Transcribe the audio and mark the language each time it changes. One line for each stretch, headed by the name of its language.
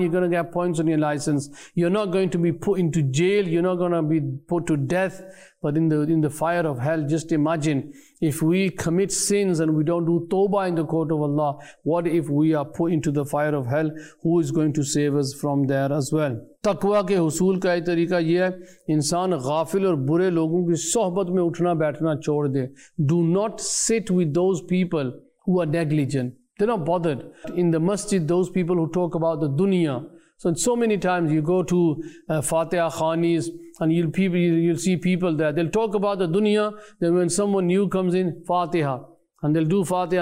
English: You're going to get points on your license. You're not going to be put into jail. You're not going to be put to death. But in the fire of hell, just imagine if we commit sins and we don't do tawbah in the court of Allah, what if we are put into the fire of hell? Who is going to save us from there as well?
Urdu: تقویٰ کے حصول کا ایک طریقہ یہ ہے انسان غافل اور برے لوگوں کی صحبت میں اٹھنا بیٹھنا چھوڑ دے.
English: Do not sit with those people who are negligent. They're not bothered. In the masjid, those people who talk about the dunya. So many times you go to Fatiha Khanis and you'll see people there. They'll talk about the dunya. Then when someone new comes in, Fatiha. And they'll do Fatiha.